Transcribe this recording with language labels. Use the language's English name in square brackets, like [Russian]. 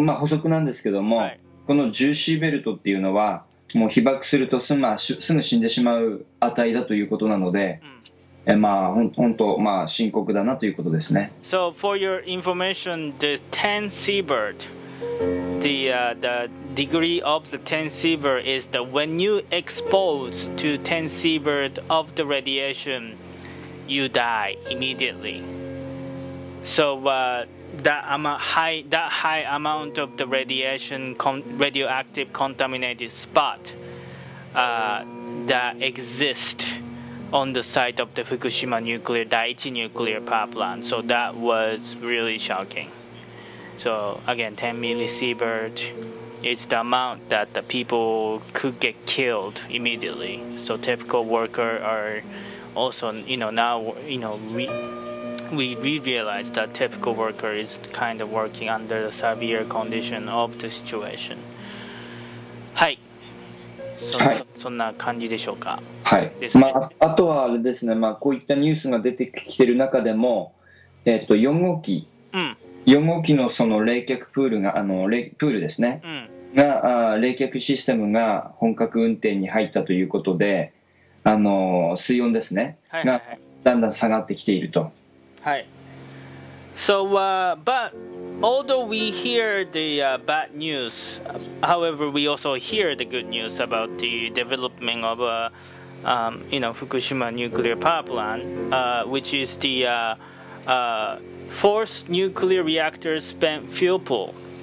[Japanese] まあ、補足なんですけども、はい、この10シーベルトっていうのはもう被爆するとすぐ死んでしまう値だということなので、うん、まあ本当、まあ、深刻だなということですね。 [English] So for your information, the 10 sievert, the degree of the 10 sievert is that when you expose to 10 sievert of the radiation, you die immediately. So that high amount of the radiation, radioactive contaminated spot that exists on the site of the Fukushima nuclear, Daiichi nuclear power plant. So that was really shocking. So again, 10 millisievert, it's the amount that the people could get killed immediately. So typical worker are also, you know, now, you know, we realize that typical worker is kind of working under the severe condition of the situation. [Japanese] はい。はい。そんな感じでしょうか。はい。ですね。まあ、あとはあれですね、まあ、こういったニュースが出てきてる中でも、4号機、うん、 4号機のその冷却プールが、プールですね、うん、が、冷却システムが本格運転に入ったということで、水温ですね、はいはいはい、がだんだん下がってきていると。はい。 [English] So, but although we hear the bad news, however, we also hear the good news about the development of, you know, Fukushima nuclear power plant, which is the fourth nuclear reactor spent fuel pool.